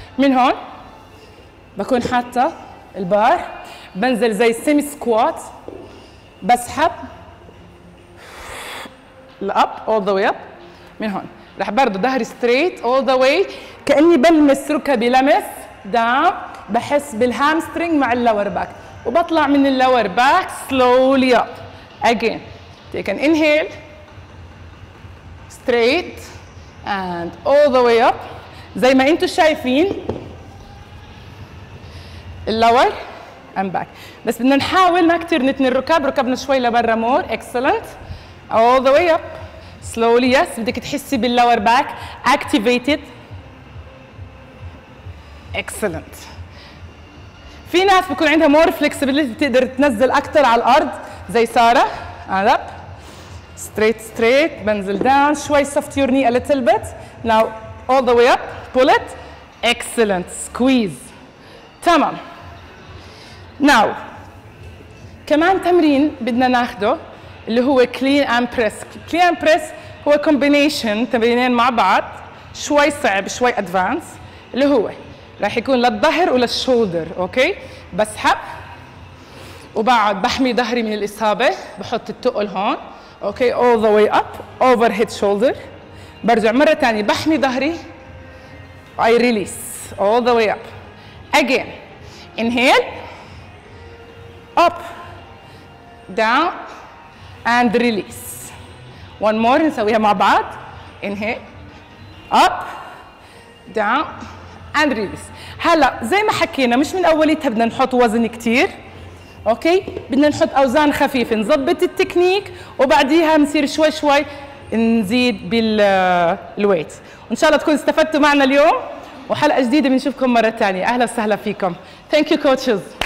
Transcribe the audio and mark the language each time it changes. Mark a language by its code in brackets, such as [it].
[ar] من هون بكون حاطه البار، بنزل زي السيمي سكوات، بسحب الاب اول ذا واي اب. من هون رح برضه ظهري ستريت اول ذا واي، كاني بلمس ركبي لمس داون، بحس بالهامسترينج مع اللور باك، وبطلع من اللور باك سلولي اب اجين. [en] Take in inhale straight and all the way up. [ar] زي ما انتم شايفين اللور [en] and back، [ar] بس بدنا نحاول ما كثير نتني الركاب، ركبنا شوي لبرا مور. [en] excellent all the way up slowly. yes [ar] بدك تحسي باللور باك [en] activated. excellent. [ar] في ناس بكون عندها مور flexibility بتقدر تنزل اكثر على الارض زي ساره. [en] and up straight straight، [ar] بنزل [en] down [ar] شوي، [en] soft your knee a little bit. now all the way up pull it. excellent squeeze. [ar] تمام. [en] now [ar] كمان تمرين بدنا ناخده اللي هو clean and press. clean and press هو combination تمرينين مع بعض، شوي صعب شوي advanced، اللي هو راح يكون للظهر وللشولدر. اوكي، بسحب وبقعد بحمي ظهري من الاصابه، بحط التقل هون. [en] okay, all the way up over head shoulder، [ar] برجع مرة تانية بحمي ظهري. [en] I release all the way up again. inhale up down and release. one more [ar] نسويها مع بعض. [en] inhale up down and release. [ar] هلا زي ما حكينا مش من اوليتها بدنا نحط وزن كتير. اوكي، بدنا نحط اوزان خفيفه، نظبط التكنيك وبعديها نصير شوي شوي نزيد بالويت. ان شاء الله تكونوا استفدتوا معنا اليوم، وحلقه جديده بنشوفكم مره ثانيه. اهلا وسهلا فيكم. [en] Thank you coaches.